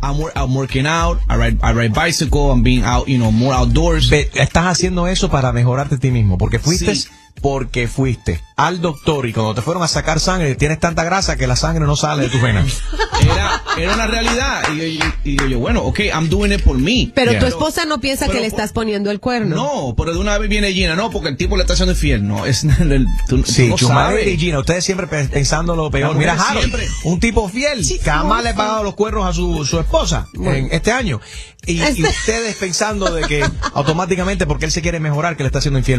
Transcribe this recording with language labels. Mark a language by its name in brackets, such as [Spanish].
[English] I'm working out, I ride bicycle, I'm being out, you know, more outdoors. [Spanish] Estás haciendo eso para mejorarte a ti mismo, porque fuiste... Sí. Porque fuiste al doctor y cuando te fueron a sacar sangre, tienes tanta grasa que la sangre no sale de tus venas. Era una realidad. Y yo, bueno, [English] ok, I'm doing it for me. [Spanish] Pero yeah. Tu esposa no piensa que le estás poniendo el cuerno. No, pero de una vez viene Gina. No, porque el tipo le está haciendo infiel. No, es el. Sí, Chumare y Gina, ustedes siempre pensando lo peor. Mira, Harold, un tipo fiel, que jamás le ha pagado los cuernos a su esposa en este año. Y ustedes pensando de que automáticamente porque él se quiere mejorar que le está haciendo infiel.